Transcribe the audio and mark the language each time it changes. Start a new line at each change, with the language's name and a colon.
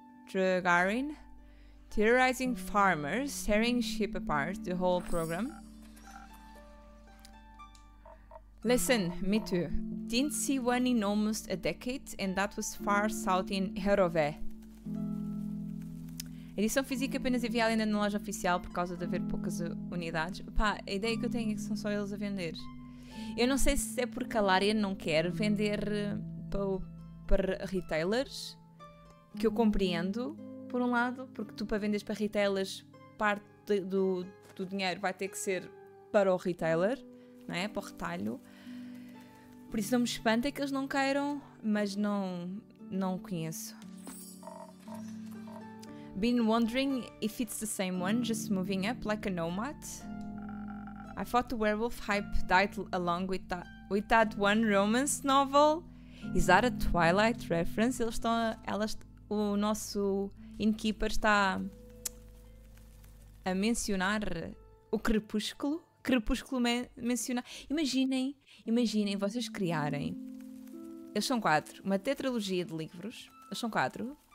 English: Tregarin? Terrorizing farmers, tearing sheep apart, the whole program. Listen, me too. Didn't see one in almost a decade, and that was far south in Herové.
Portuguese: Edição física apenas havia ainda na loja oficial por causa de haver poucas unidades. Pá, a ideia que eu tenho é que são só eles a vender. Eu não sei se é porque a Larian não quer vender para retailers, que eu compreendo, por um lado, porque tu para vendes para retailers, parte do dinheiro vai ter que ser para o retailer, não é? Para o retalho. Por isso não me espanta que eles não queiram, mas não conheço.
English: Been wondering if it's the same one, just moving up like a nomad. I thought the werewolf hype died along with that one romance novel. Is that a Twilight reference?
Portuguese: O nosso innkeeper está a mencionar o Crepúsculo. Crepúsculo mencionar. Imaginem vocês criarem. Eles são quatro. Uma tetralogia de livros. Eles são quatro.